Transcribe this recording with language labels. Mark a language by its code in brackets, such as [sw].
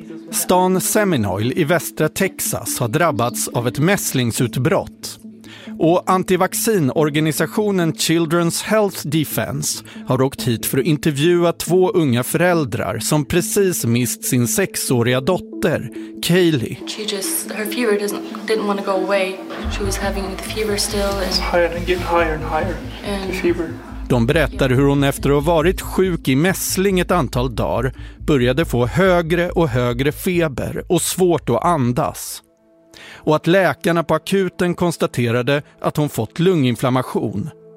[sv] Stan Seminole i västra Texas har drabbats av ett mässlingsutbrott. Och antivaccinorganisationen Children's Health Defense har åkt hit för att intervjua två unga föräldrar som precis mist sin 6-åriga dotter, Kaylee. [en] She just, her fever didn't want to go away. She was having the fever still. It's higher and getting higher and higher, and the fever. [sv] De berättar hur hon efter att ha varit sjuk i mässling ett antal dagar började få högre och högre feber och svårt att andas. Och att läkarna på akuten konstaterade att hon fått lunginflammation.